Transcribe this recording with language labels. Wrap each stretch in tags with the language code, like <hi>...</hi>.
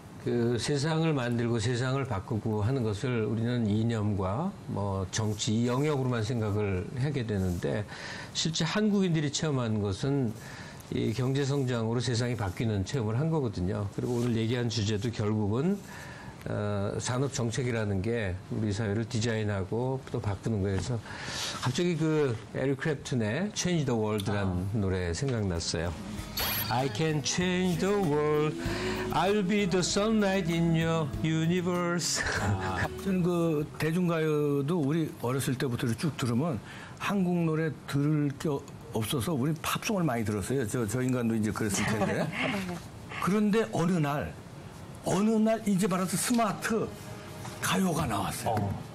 <ko>그 세상을 만들고 세상을 바꾸고 하는 것을 우리는 이념과 뭐 정치 이 영역으로만 생각을 하게 되는데 실제 한국인들이 체험한 것은 이 경제성장으로 세상이 바뀌는 체험을 한 거거든요. 그리고 오늘 얘기한 주제도 결국은 산업정책이라는 게 우리 사회를 디자인하고 또 바꾸는 거에서 갑자기 그 에릭 크랩튼의 Change the World라는 노래 생각났어요.</ko> <en>I can change the world. I'll be the sunlight in your universe.</en> <ko>저는 그 대중가요도 우리 어렸을 때부터 쭉 들으면 한국 노래 들을 게 없어서 우리 팝송을 많이 들었어요. 저 인간도 이제 그랬을 텐데. 그런데 어느 날 이제 말해서 스마트 가요가 나왔어요.</ko>